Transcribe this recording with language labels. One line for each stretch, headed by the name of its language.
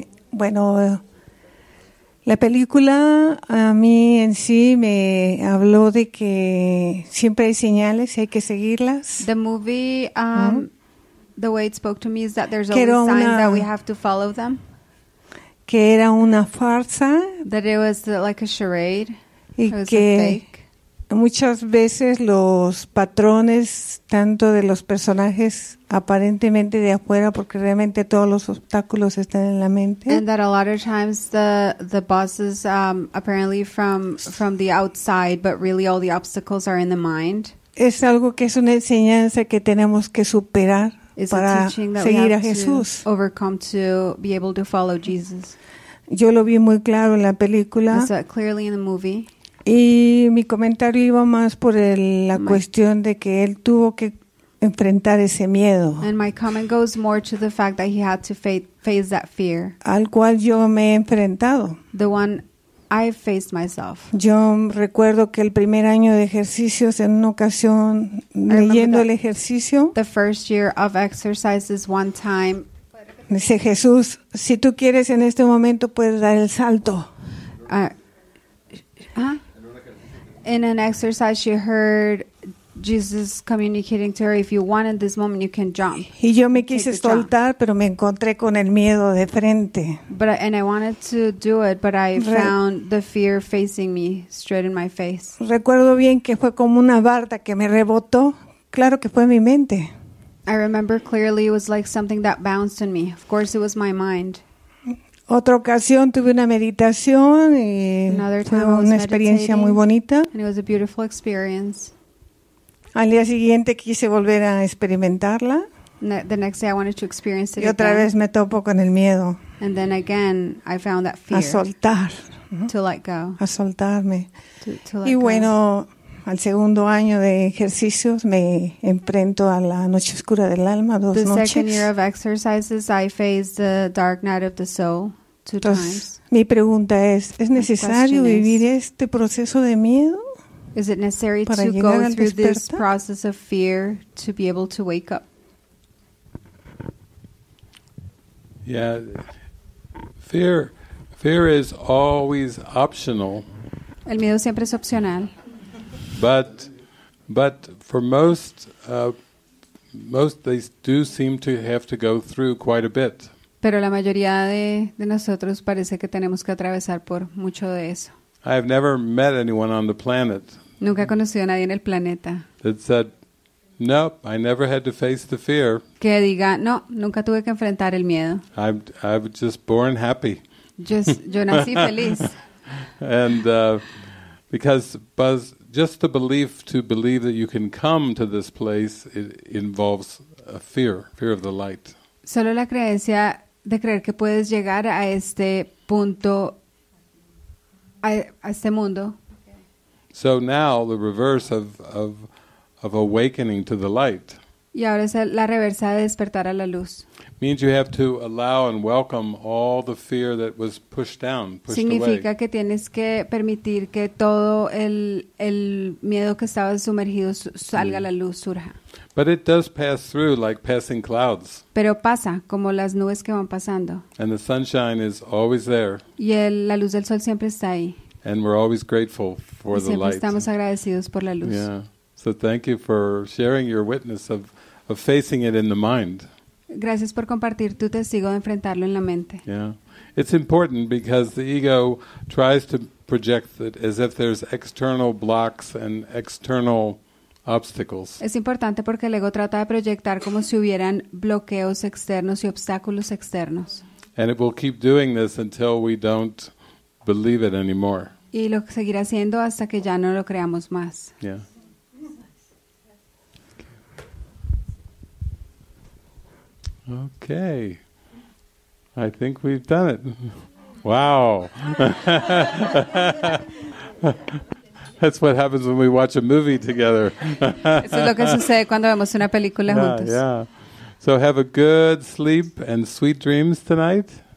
Spanish: Bueno, la película a mí en sí me habló de que siempre hay señales, hay que seguirlas.
English: The movie, the way it spoke to me is that there's always signs that we have to follow them.
Spanish: Que era una farsa.
English: That it was like a charade.
Spanish: Y que muchas veces los patrones, tanto de los personajes aparentemente de afuera, porque realmente todos los obstáculos están en la mente.
English: And that a lot of times the bosses, apparently from the outside, but really all the obstacles are in the mind.
Spanish: Es algo que es una enseñanza que tenemos que superar. Is para seguir a Jesús.
English: To overcome to be able to follow Jesus.
Spanish: Yo lo vi muy claro en la película.
English: I saw it clearly in the movie.
Spanish: Y mi comentario iba más por la cuestión de que él tuvo que enfrentar ese miedo.
English: And my comment goes more to the fact that he had to face that fear.
Spanish: Al cual yo me he enfrentado.
English: The one I faced myself.
Spanish: Yo recuerdo que el primer año de ejercicios en una ocasión leyendo el ejercicio.
English: The first year of exercises one time.
Spanish: Dice Jesús, si tú quieres en este momento puedes dar el salto.
English: In an exercise she heard Jesus communicating to her, if you want in this moment you can jump.
Spanish: Y yo me quise soltar, pero me encontré con el miedo de frente.
English: And I wanted to do it, but I found the fear facing me straight in my face.
Spanish: Recuerdo bien que fue como una barda que me rebotó. Claro que fue mi mente.
English: I remember clearly it was like something that bounced in me. Of course it was my mind.
Spanish: Otra ocasión tuve una meditación y fue una experiencia muy bonita.
English: And it was a beautiful experience.
Spanish: Al día siguiente quise volver a experimentarla.
English: The next day I wanted to experience it again.
Spanish: Y otra vez me topo con el miedo.
English: And then again I found that fear.
Spanish: A soltar.
English: To let go.
Spanish: A soltarme. Y bueno, al segundo año de ejercicios me enfrento a la noche oscura del alma, dos noches.
English: The second year of exercises I face the dark night of the soul two times.
Spanish: Mi pregunta es necesario vivir este proceso de miedo?
English: Is it necessary to go through this process of fear to be able to wake up? Yeah, fear is always optional.
Spanish: El miedo siempre es opcional.
English: But for most they do seem to have to go through quite a bit.
Spanish: Pero la mayoría de nosotros parece que tenemos que atravesar por mucho de eso.
English: I have never met anyone on the planet.
Spanish: Nunca he conocido a nadie en el planeta.
English: That said, nope, I never had to face the fear.
Spanish: Que diga, no, nunca tuve que enfrentar el miedo.
English: I was just born happy.
Spanish: Yo nací feliz.
English: And because Buzz, just the belief to believe that you can come to this place, it involves a fear of the light.
Spanish: Solo la creencia de creer que puedes llegar a este punto, a este mundo.
English: So now the reverse of awakening to the light.
Spanish: Y ahora es la reversa de despertar a la luz.
English: Means you have to allow and welcome all the fear that was pushed down, pushed away.
Spanish: Significa que tienes que permitir que todo el miedo que estaba sumergido salga a la luz, surja.
English: But it does pass through like passing clouds.
Spanish: Pero pasa como las nubes que van pasando.
English: And the sunshine is always there.
Spanish: Y la luz del sol siempre está ahí.
English: And we're always grateful for the light.
Spanish: Siempre estamos agradecidos por la luz.
English: Yeah. So thank you for sharing your witness of facing it in the mind.
Spanish: Gracias por compartir tu testigo de enfrentarlo en la mente.
English: Yeah. It's important because the ego tries to project it as if there's external blocks and external obstacles.
Spanish: Es importante porque el ego trata de proyectar como si hubieran bloqueos externos y obstáculos externos.
English: And it will keep doing this until we don't believe it anymore.
Spanish: Y lo seguirá haciendo hasta que ya no lo creamos más.
English: Yeah. Okay. I think we've done it. Wow. That's what happens when we watch a movie together.
Spanish: Eso es lo que sucede cuando vemos una película juntos.
English: Yeah. So have a good sleep and sweet dreams tonight.